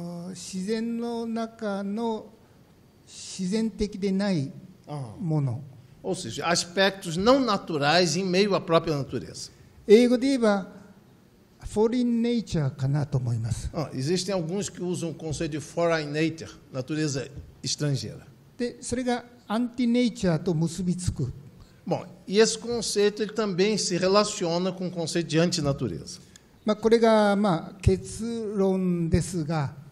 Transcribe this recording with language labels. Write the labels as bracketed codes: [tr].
[ja] 自然の中の自然的でないもの。 [pt] Ou seja, aspectos não naturais em meio à própria natureza. [ja] 英語で言えば、foreign nature かなと思います。 [pt] Existem alguns que usam o conceito de foreign nature, natureza estrangeira. [ja] で、それが anti-nature と結びつく。 [pt] Bom, e esse conceito ele também se relaciona com o conceito de antinatureza. [ja] まあ、これが、まあ、結論ですが、